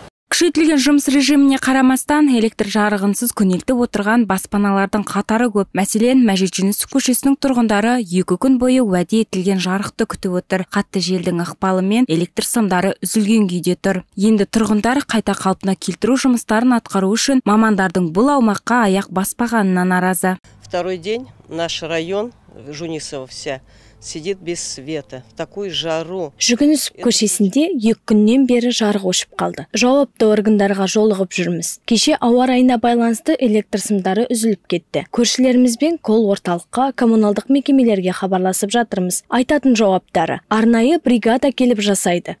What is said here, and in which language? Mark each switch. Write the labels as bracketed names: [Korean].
[Kazakh] Күшейтілген жұмыс режиміне қарамастан электр жарығынсыз күнелтіп отырған баспаналардың қатары көп. Мәселен, Мәжитжүнісов көшесінің тұрғындары екі күн бойы уәде етілген жарықты күтіп отыр. Қатты желдің ықпалымен электр сымдары үзілген күйде тұр. Енді тұрғындар қайта қалпына келтіру жұмыстарын атқару үшін мамандардың бұл аумаққа аяқ баспағанына наразы. [Russian] Второй день наш район Жунисова вся сидит без света. В такую жару. [Kazakh] Жүгінісіп көшесінде екі күннен бері жарық өшіп қалды. Жауапты органдарға жолығып жүрміз. Кеше ауа райына байланысты электр сымдары үзіліп кетті. Көршілерімізбен кол орталыққа, коммуналдық мекемелерге хабарласып жатырмыз. Айтатын жауаптары: арнайы бригада келіп жасайды.